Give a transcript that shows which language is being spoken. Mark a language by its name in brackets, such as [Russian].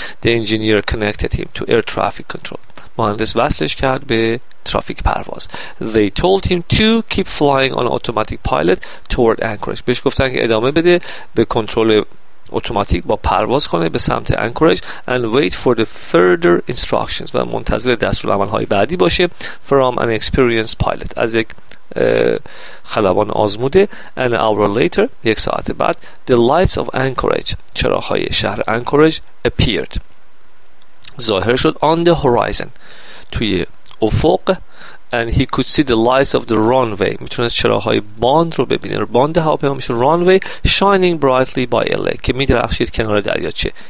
[English] The engineer connected him to air traffic control. [Persian] مهندس وصلش کرد به ترافیک پرواز. [English] They told him to keep flying on automatic pilot toward Anchorage. [Persian] بهش گفتن که ادامه بده به کنترل اوتوماتیک با پرواز کنه به سمت انکوریج. [English] And wait for the further instructions, [Persian] و منتظر دستور عملهای بعدی باشه. [English] From an experienced pilot, [Persian] از یک خلبان آزموده. [English] An hour later, [Persian] یک ساعت بعد, [English] the lights of Anchorage, [Persian] چراغهای شهر انکوریج, [English] appeared, [Persian] ظاهر شد. [English] On the horizon, [Persian] توی افق. [English] And he could see the lights of the runway. [Persian] میتونست چراغ‌های باند رو ببینه. باند هواپیما میشه runway, [English] shining brightly by LA, [Persian] که می‌درخشید کنار دریاچه.